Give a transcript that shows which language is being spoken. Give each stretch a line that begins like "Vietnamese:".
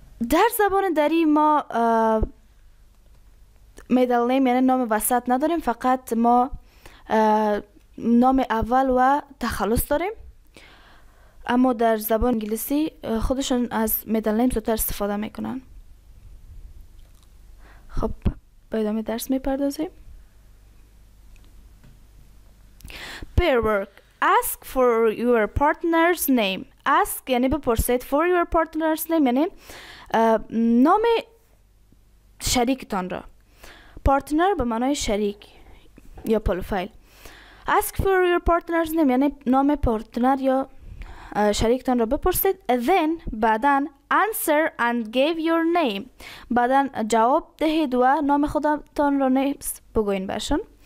Persian: در زبان دری ما میدل نیم یعنی نام وسط نداریم، فقط ما نام اول و تخلص داریم. اما در زبان انگلیسی خودشون از میدل نیم زودتر استفاده میکنن. خب به ادامه درس میپردازیم.
English: Pairwork. Ask for your partner's name.
Persian: Ask یعنی بپرسید،
English: for your partner's name
Persian: یعنی نام شریکتان را. Partner به معنای شریک یا پروفایل.
English: Ask for your partner's name
Persian: یعنی نام پارتنر یا شریکتان را بپرسید.
English: Then
Persian: بعدن
English: answer and give your name.
Persian: بعدن جواب دهید و نام خودتان را نیز بگوین برشون.